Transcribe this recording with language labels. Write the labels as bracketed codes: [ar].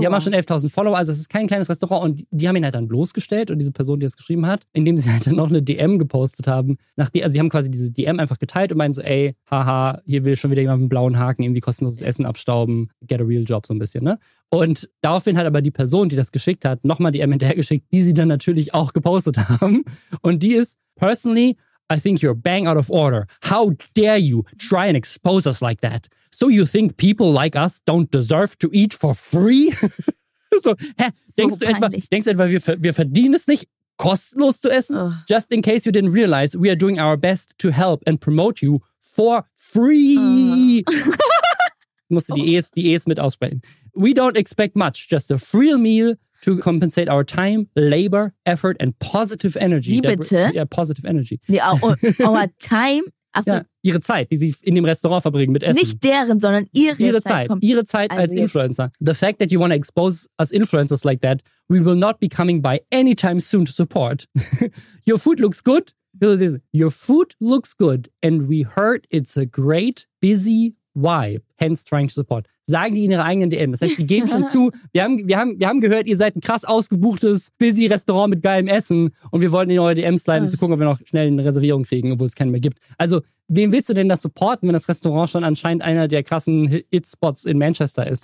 [de] Die haben auch schon 11.000 Follower, also es ist kein kleines Restaurant. Und die haben ihn halt dann bloßgestellt und diese Person, die das geschrieben hat, indem sie halt dann noch eine DM gepostet haben. Also sie haben quasi diese DM einfach geteilt und meinen so, ey, haha, hier will schon wieder jemand mit einem blauen Haken irgendwie kostenloses Essen abstauben, [en] get a real job [de] so ein bisschen, ne? Und daraufhin hat aber die Person, die das geschickt hat, nochmal DM hinterhergeschickt, die sie dann natürlich auch gepostet haben. Und die ist, [en] personally, I think you're bang out of order. How dare you try and expose us like that? So you think people like us don't deserve to eat for free? [de] So, hä? Denkst du etwa, wir verdienen es nicht, kostenlos zu essen? Ugh. [en] Just in case you didn't realize, we are doing our best to help and promote you for free. [de] Musste die E's mit aussprechen. [en] We don't expect much, just a free meal to compensate our time, labor, effort and positive energy. [de] Wie bitte? Ja, [en] positive energy. [de] Nee, [en] our time. [de] Ach so. Ja, ihre Zeit, die sie in dem Restaurant verbringen mit Essen. Nicht deren, sondern ihre Zeit. Ihre Zeit also als Influencer. [en] The fact that you want to expose us influencers like that, we will not be coming by anytime soon to support. Your food looks good. Your food looks good and we heard it's a great busy vibe, hence trying to support. [de] Sagen die in ihrer eigenen DM. Das heißt, die geben schon zu, wir haben gehört, ihr seid ein krass ausgebuchtes, busy Restaurant mit geilem Essen und wir wollten in eure DMs leiten, um zu gucken, ob wir noch schnell eine Reservierung kriegen, obwohl es keinen mehr gibt. Also, wem willst du denn das supporten, wenn das Restaurant schon anscheinend einer der krassen It-Spots in Manchester ist?